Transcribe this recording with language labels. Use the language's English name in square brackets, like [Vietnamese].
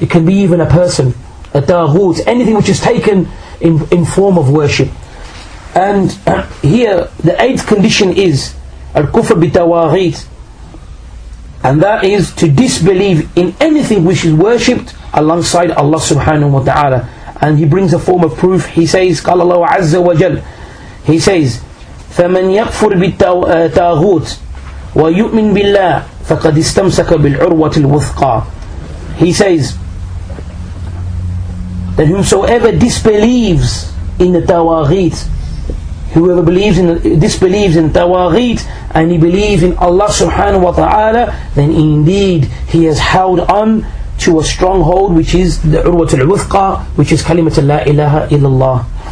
[English] It can be even a person. A taghut, anything which is taken in form of worship. And here the 8th condition is al-kufr bitawaghit. And that is to disbelieve in anything which is worshipped alongside Allah subhanahu wa ta'ala. And he brings a form of proof. He says, [Arabic] قال الله عز وجل, he says, فَمَنْ يَقْفُرْ بِالتَّاغُوتِ وَيُؤْمِنْ بِاللَّهِ فَقَدْ إِسْتَمْسَكَ بِالْعُرْوَةِ الْوُثْقَى. [English] He says, that whomsoever disbelieves in the tawaghit, whoever disbelieves in tawaghit, and he believes in Allah subhanahu wa ta'ala, then indeed he has held on to a stronghold, which is the urwatul wuthqa, which is kalimat la ilaha illallah.